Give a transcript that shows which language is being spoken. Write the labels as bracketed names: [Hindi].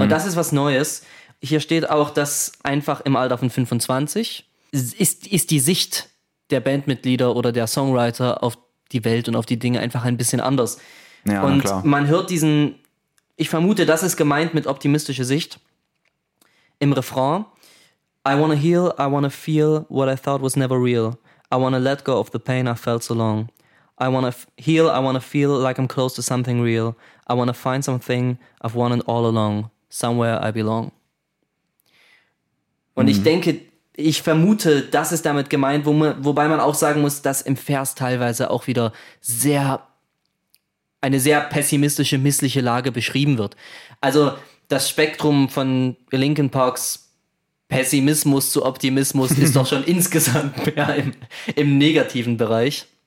[German] Und das ist was Neues. Hier steht auch, dass einfach im Alter von 25 ist die Sicht der Bandmitglieder oder der Songwriter auf die Welt und auf die Dinge einfach ein bisschen anders. Ja, und klar. Man hört diesen, ich vermute, das ist gemeint mit optimistischer Sicht im Refrain. [English] I wanna heal, I wanna feel what I thought was never real. I wanna let go of the pain I felt so long. I wanna heal, I wanna feel like I'm close to something real. I wanna find something I've wanted all along. Somewhere I belong. [German] Und ich denke, ich vermute, das ist damit gemeint, wobei man auch sagen muss, dass im Vers teilweise auch wieder eine sehr pessimistische, missliche Lage beschrieben wird. Also das Spektrum von Linkin Parks Pessimismus zu Optimismus ist doch schon insgesamt mehr im negativen Bereich.